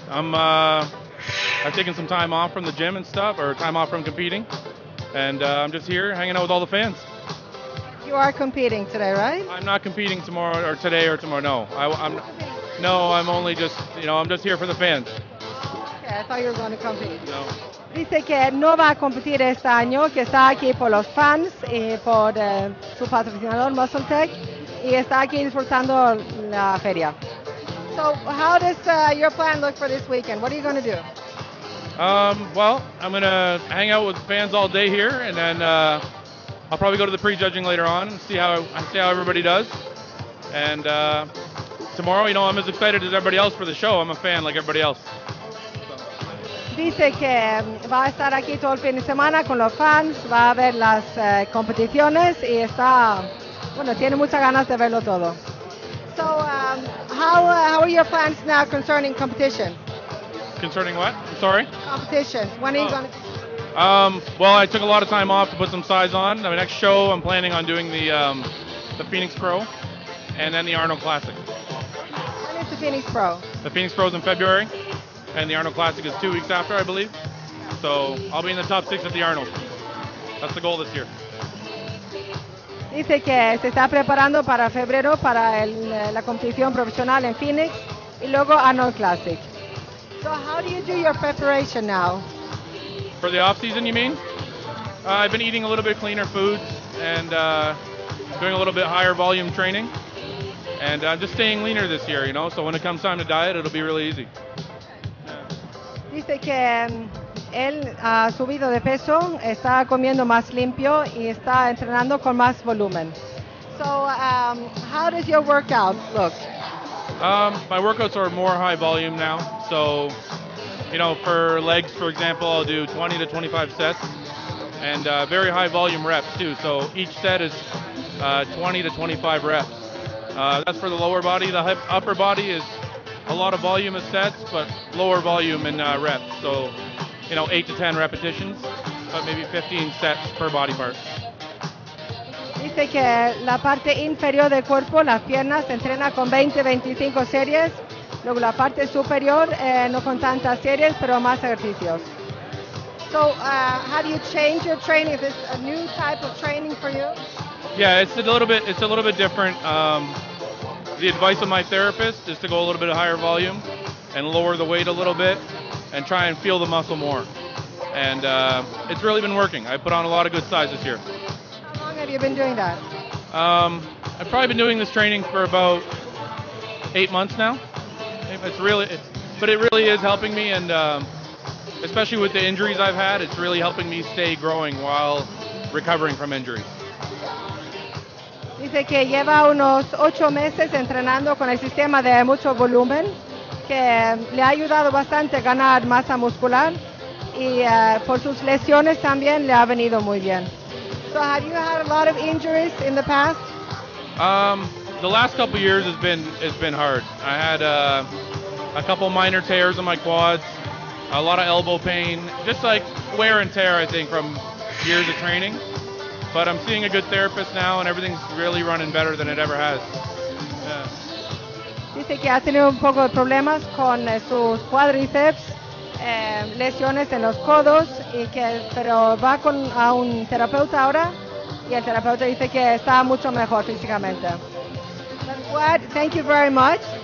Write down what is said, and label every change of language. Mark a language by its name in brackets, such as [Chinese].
[English] I've taken some time off from the gym and stuff, or time off from competing, and I'm just here hanging out with all the fans. You are competing today, right? I'm not competing tomorrow or today or tomorrow. No, I'm only just, I'm just here for the fans. Okay, I thought you were going to compete. No. [Spanish] Dice que no va a competir este año, que está aquí por los fans y por su patrocinador MuscleTech, y está aquí disfrutando la feria. [English] So, how does your plan look for this weekend? What are you going to do? Well, I'm going to hang out with fans all day here, and then I'll probably go to the pre-judging later on and see how everybody does. And tomorrow, I'm as excited as everybody else for the show. I'm a fan like everybody else. [Spanish] Dice que va a estar aquí todo el fin de semana con los fans, va a ver las competiciones y está, tiene muchas ganas de verlo todo. [English] So, how are your plans now concerning competition? Concerning what? I'm sorry? Competition. When are you going to... Well, I took a lot of time off to put some size on. My next show, I'm planning on doing the Phoenix Pro and then the Arnold Classic. When is the Phoenix Pro? The Phoenix Pro is in February. And the Arnold Classic is 2 weeks after, I believe. So I'll be in the top six at the Arnold. That's the goal this year. [Spanish] Dice que se está preparando para febrero para la competición profesional en Phoenix y luego Arnold Classic. [English] So how do you do your preparation now? For the off season, you mean? I've been eating a little bit cleaner foods and doing a little bit higher volume training. And I'm just staying leaner this year, you know, so when it comes time to diet, it'll be really easy. [Spanish] Dice que él ha subido de peso, está comiendo más limpio y está entrenando con más volumen. [English] So, how does your workout look? My workouts are more high volume now. So, you know, for legs, for example, I'll do 20 to 25 sets and very high volume reps too. So each set is 20 to 25 reps. That's for the lower body. The upper body is a lot of volume of sets, but lower volume in reps. So, you know, 8 to 10 repetitions, but maybe 15 sets per body part. [Spanish] Dice que la parte inferior del cuerpo, las piernas, se entrena con 20-25 series. Luego la parte superior, no con tantas series, pero más ejercicios. [English] So, how do you change your training? Is this a new type of training for you? Yeah, it's a little bit different. The advice of my therapist is to go a little bit higher volume and lower the weight a little bit and try and feel the muscle more. And it's really been working. I put on a lot of good size this year. How long have you been doing that? I've probably been doing this training for about 8 months now. It really is helping me, and especially with the injuries I've had, it's really helping me stay growing while recovering from injuries. [Spanish] Dice que lleva unos 8 meses entrenando con el sistema de mucho volumen, que le ha ayudado bastante a ganar masa muscular, y por sus lesiones también le ha venido muy bien. [English] So, have you had a lot of injuries in the past? The last couple years has been hard. I had a couple minor tears in my quads, a lot of elbow pain, just like wear and tear, I think, from years of training. But I'm seeing a good therapist now, and everything's really running better than it ever has. Yeah. [Spanish] Dice que ha tenido un poco de problemas con sus cuádriceps, lesiones en los codos, y que pero va con a un terapeuta ahora, y el terapeuta dice que está mucho mejor físicamente. [English] Fuad, thank you very much.